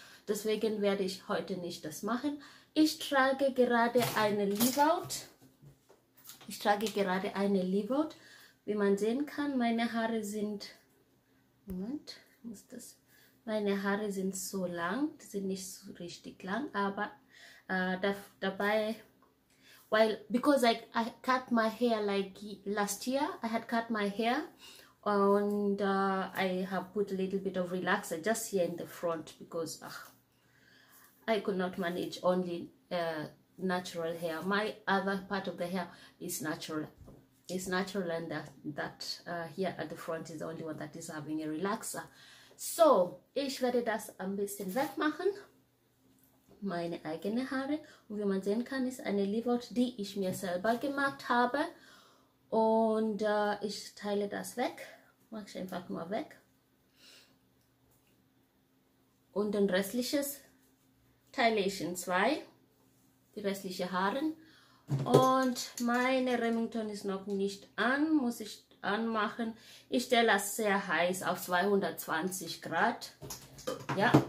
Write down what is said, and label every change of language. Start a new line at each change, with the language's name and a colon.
German: Deswegen werde ich heute nicht das machen. Ich trage gerade eine Leave-Out. Ich trage gerade eine Leave-Out. Wie man sehen kann, meine Haare sind. Moment, muss das. Meine Haare sind so lang. Die sind nicht so richtig lang, aber dabei.
English: Well, because I cut my hair like last year, I had cut my hair and I have put a little bit of relaxer just here in the front because I could not manage only natural hair. My other part of the hair is natural. It's natural and that here at the front is the only one that is having a relaxer.
German: So, ich werde das ein bisschen wegmachen. Meine eigene Haare und wie man sehen kann, ist eine Leave-Out, die ich mir selber gemacht habe und ich teile das weg, mache ich einfach mal weg und den restliches teile ich in zwei, die restlichen Haare und meine Remington ist noch nicht an, muss ich anmachen, ich stelle das sehr heiß auf 220 Grad, ja.